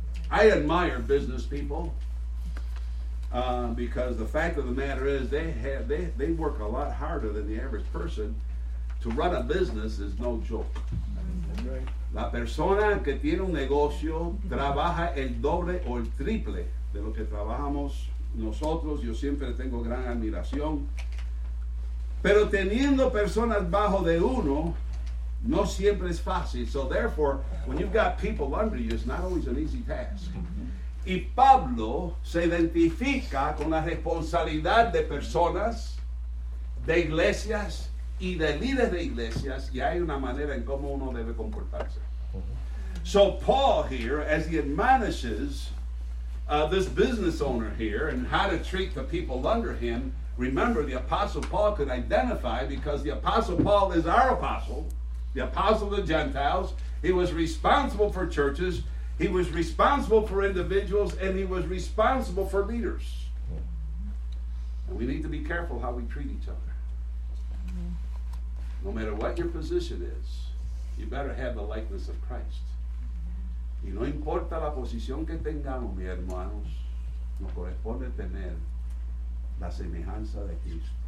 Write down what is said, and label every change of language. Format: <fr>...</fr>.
<en>I admire business people because the fact of the matter is they work a lot harder than the average person. To run a business is no joke.</en> <es>La persona que tiene un negocio trabaja el doble o el triple de lo que trabajamos nosotros. Yo siempre tengo gran admiración. Pero teniendo personas bajo de uno, no siempre es fácil.</es> <en>So therefore, when you've got people under you, it's not always an easy task.</en> <es>Y Pablo se identifica con la responsabilidad de personas, de iglesias y de líderes de iglesias, y hay una manera en cómo uno debe comportarse.</es> <en>So Paul here, as he admonishes this business owner here and how to treat the people under him, remember the Apostle Paul could identify because the Apostle Paul is our apostle, the apostle of the Gentiles. He was responsible for churches, he was responsible for individuals, and he was responsible for leaders. And we need to be careful how we treat each other. No matter what your position is, you better have the likeness of Christ.</en> <es>Y no importa la posición que tengamos, mis hermanos, nos corresponde tener la semejanza de Cristo.</es>